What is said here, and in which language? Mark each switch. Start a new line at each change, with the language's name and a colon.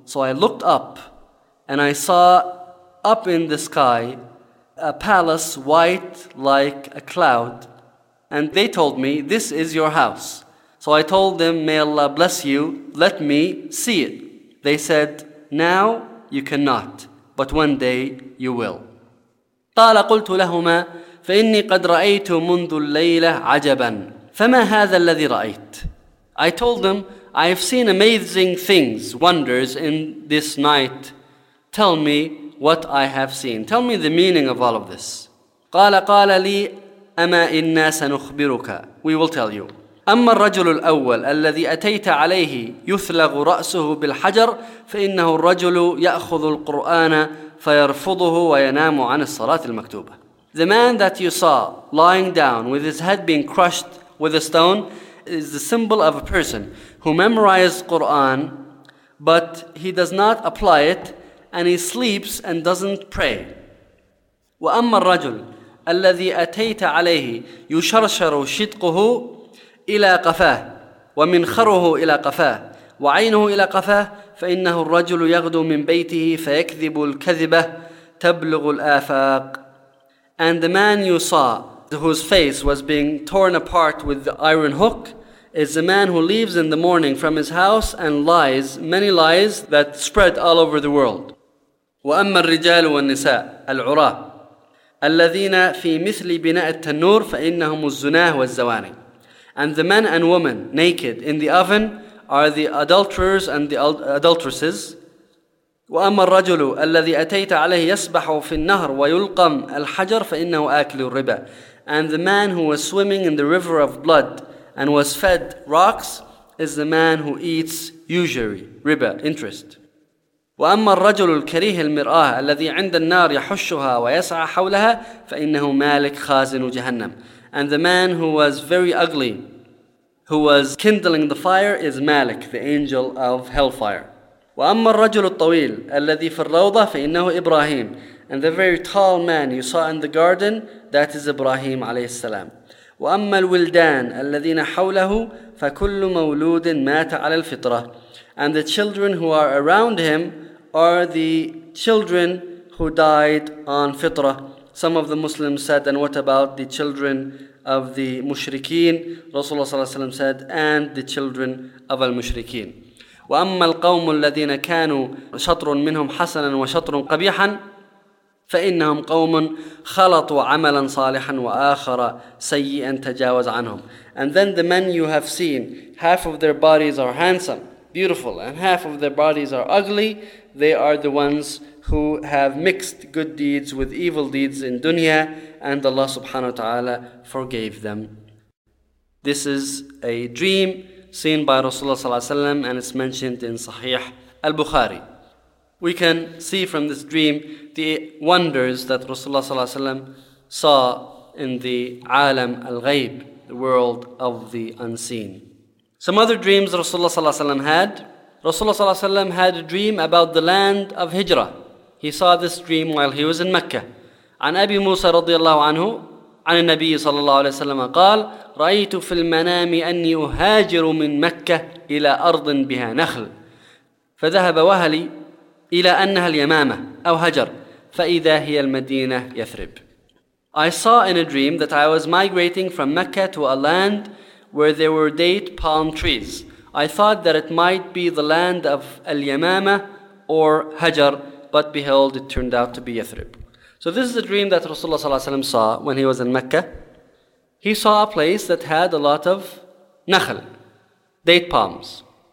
English: So I looked up, and I saw up in the sky a palace white like a cloud. And they told me, this is your house. So I told them, may Allah bless you, let me see it. They said, now you cannot, but one day you will.
Arabic: قال قلت لهما فإني قد رأيت منذ الليلة عجبا فما هذا الذي رأيت.
English: I told them, I have seen amazing things, wonders in this night. Tell me what I have seen. Tell me the meaning of all of this.
Arabic: قال لي أما إنا سنخبرك.
English: We will tell you.
Arabic: أما الرجل الأول الذي أتيت عليه يثلغ رأسه بالحجر فإنه الرجل يأخذ القرآن فيرفضه وينام عن الصلاة المكتوبة.
English: The man that you saw lying down with his head being crushed with a stone is the symbol of a person who memorized Quran, but he does not apply it and he sleeps and doesn't pray.
Arabic: وأما الرجل الذي أتيت عليه يشرشر شدقه إلى قفاه ومنخره إلى قفاه وعينه إلى قفاه فإنه الرجل يغدو من بيته فيكذب الكذبة تبلغ الآفاق.
English: And the man you saw whose face was being torn apart with the iron hook is the man who leaves in the morning from his house and lies many lies that spread all over the world.
Arabic: وأما الرجال والنساء العراة الذين في مثل بناء التنور فإنهم الزناة والزواني.
English: And the men and women naked in the oven are the adulterers and the adulteresses.
Arabic: وأما الرجل الذي أتيت عليه يسبح في النهر ويلقم الحجر فإنه آكل الربا.
English: And the man who was swimming in the river of blood and was fed rocks is the man who eats usury, riba, interest.
Arabic: وأما الرجل الكريه المرآة الذي عند النار يحشها ويسعى حولها فإنه مالك خازن جهنم.
English: And the man who was very ugly who was kindling the fire is Malik, the angel of hellfire.
Arabic: وأما الرجل الطويل الذي في الروضة فإنه إبراهيم.
English: And the very tall man you saw in the garden, that is Ibrahim عليه السلام.
Arabic: وأما الولدان الذين حوله فكل مولود مات على الفطرة.
English: And the children who are around him are the children who died on fitra. Some of the Muslims said, and what about the children of the mushrikeen? Rasulullah صلى الله عليه وسلم said, and the children of al-mushrikeen.
Arabic: وأما القوم الذين كانوا شطر منهم حسنا وشطر قبيحا فإنهم قوم خلطوا عملا صالحا وآخر سيئا تجاوز عنهم.
English: And then the men you have seen, half of their bodies are handsome, beautiful, and half of their bodies are ugly. They are the ones who have mixed good deeds with evil deeds in dunya, and Allah subhanahu wa ta'ala forgave them. This is a dream seen by Rasulullah صلى الله عليه وسلم, and it's mentioned in Sahih al-Bukhari. We can see from this dream the wonders that Rasulullah صلى الله عليه وسلم saw in the alam al-ghayb, the world of the unseen. Some other dreams Rasulullah صلى الله عليه وسلم had. Rasulullah صلى الله عليه وسلم had a dream about the land of Hijrah. He saw this dream while he was in Mecca.
Arabic: عن أبي موسى رضي الله عنه عن النبي صلى الله عليه وسلم قال رأيت في المنام أني أهاجر من مكة إلى أرض بها نخل فذهب وهلي إلى أنها اليمامة أو هجر فإذا هي المدينة يثرب.
English: I saw in a dream that I was migrating from Mecca to a land where there were date palm trees. I thought that it might be the land of al-Yamama or Hajar, but behold, it turned out to be Yathrib. So this is a dream that Rasulullah sallallahu alayhi wa sallam saw when he was in Mecca. He saw a place that had a lot of nakhl, date palms.